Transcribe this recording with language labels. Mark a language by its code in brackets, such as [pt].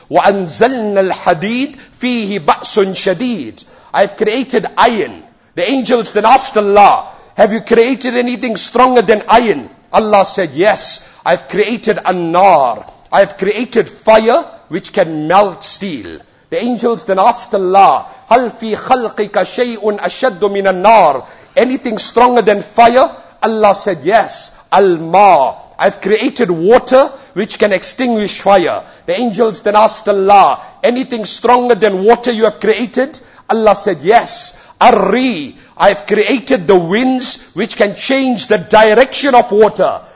[ar] Wa anzalna al-hadid fihi ba'sun shadid. [en] I have created iron. The angels then asked Allah, have you created anything stronger than iron? Allah said, yes, I've created an-nar. I've created fire which can melt steel. The angels then asked Allah, [ar] هَلْ فِي خَلْقِكَ شَيْءٌ أَشَدُّ مِنَ النَّارِ. [en] Anything stronger than fire? Allah said, yes, al-ma. I've created water which can extinguish fire. The angels then asked Allah, anything stronger than water you have created? Allah said, yes, ar-ri. I've created the winds which can change the direction of water.